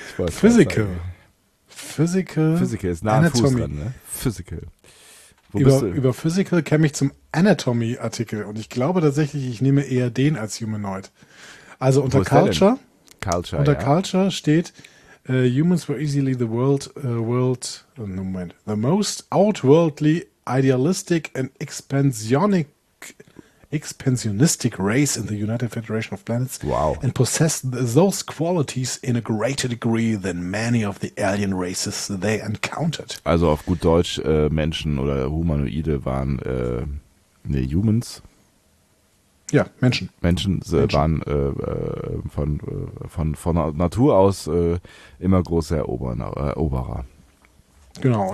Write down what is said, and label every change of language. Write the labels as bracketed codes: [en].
[en] Physical. Physical [de] ist nah Anatomy. Fuß dran, ne? Physical. Wo über, bist du? Über Physical käme ich zum Anatomy-Artikel und ich glaube tatsächlich, ich nehme eher den als Humanoid. Also unter Culture steht [en] Humans were easily the world, the most outworldly, idealistic and expansionistic race in the United Federation of Planets. Wow. And possessed those qualities in a greater degree than many of the alien races they encountered. [de] Also auf gut Deutsch, Menschen oder Humanoide waren Humans. Ja, Menschen. Menschen. Waren von Natur aus immer große Eroberer. Genau,